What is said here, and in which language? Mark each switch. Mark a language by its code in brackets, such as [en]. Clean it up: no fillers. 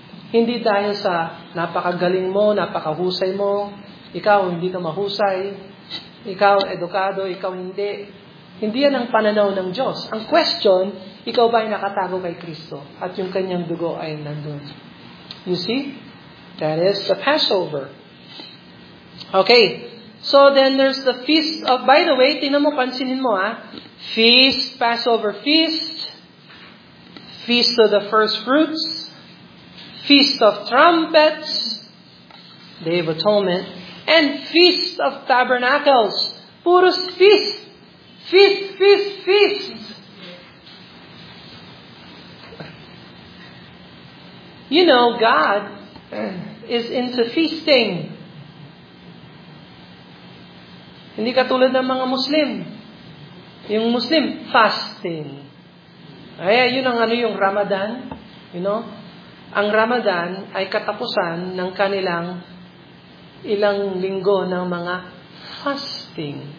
[tl] Hindi dahil sa napakagaling mo, napakahusay mo, ikaw hindi ka mahusay, ikaw edukado, ikaw hindi. Hindi yan ang pananaw ng Diyos. Ang question, ikaw ba ay nakatago kay Kristo at yung kanyang dugo ay nandun? [en] You see? That is the Passover. Okay, So then there's the feast of, by the way, [tl] tingnan mo, pansinin mo ah. [en] Feast, Passover feast, feast of the first fruits, feast of trumpets, Day of Atonement, and feast of tabernacles. [tl] Puros [en] feast. Feast, feast, feast. You know, God is into feasting. [tl] Hindi katulad ng mga Muslim. Yung Muslim, fasting. Kaya yun ang ano yung Ramadan. [en] You know? [tl] Ang Ramadan ay katapusan ng kanilang ilang linggo ng mga fasting.